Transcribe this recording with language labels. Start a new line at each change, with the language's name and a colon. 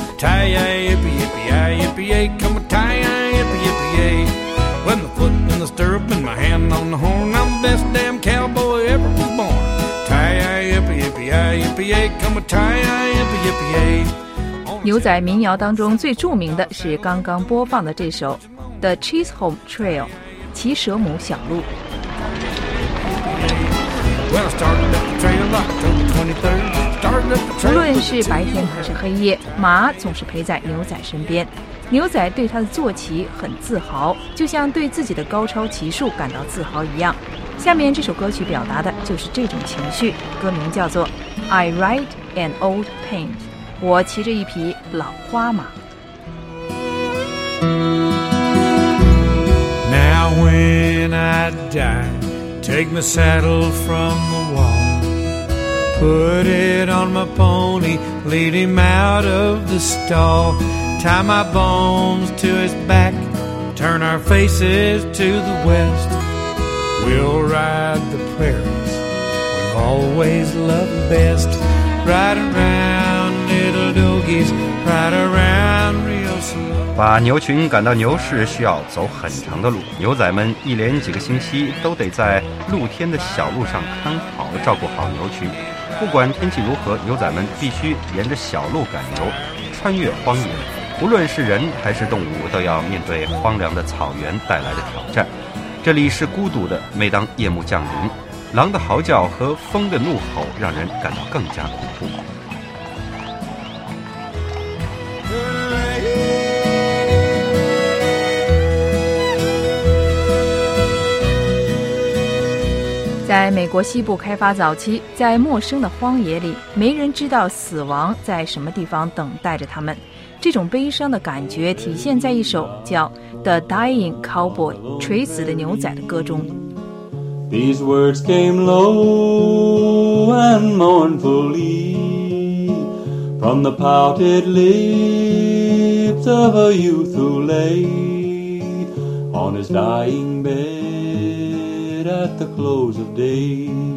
English: Tie-yi-yippee-yippee-yi-yippee-yay, come with tie-yi-yippee-yippee-yay. With my foot in the stirrup and my hand on the horn, I'm the best damn cowboy ever was born. Tie-yi-yippee-yippee-yi-yippee-yay, come with tie-yi-yippee-yippee-yay.
Chinese: 牛仔民谣当中最著名的是刚刚播放的这首 The Chisholm Trail, 骑蛇母小路。
English: Well, I started up the trail October 23rd.
Chinese: 无论是白天还是黑夜，马总是陪在牛仔身边，牛仔对他的坐骑很自豪，就像对自己的高超骑术感到自豪一样。下面这首歌曲表达的就是这种情绪，歌名叫做 I Ride an Old Paint, 我骑着一匹老花马。
English: Now when I die, take my saddle from the wallPut it on my pony, lead him out of the stall. Tie my bones to his back, turn our faces to the west. We'll ride the prairies we've always loved best. Ride around little doggies, ride around real slow.
Chinese: 把牛群赶到牛市需要走很长的路，牛仔们一连几个星期都得在露天的小路上看好，照顾好牛群。不管天气如何，牛仔们必须沿着小路赶牛，穿越荒野。无论是人还是动物，都要面对荒凉的草原带来的挑战。这里是孤独的，每当夜幕降临，狼的嚎叫和风的怒吼让人感到更加恐怖。在美国西部开发早期，在陌生的荒野里，没人知道死亡在什么地方等待着他们。这种悲伤的感觉体现在一首叫《The Dying Cowboy》（垂死的牛仔）的歌中。
English: These words came low and mournfully from the pouted lips of a youth who lay on his dying bed at the close of day.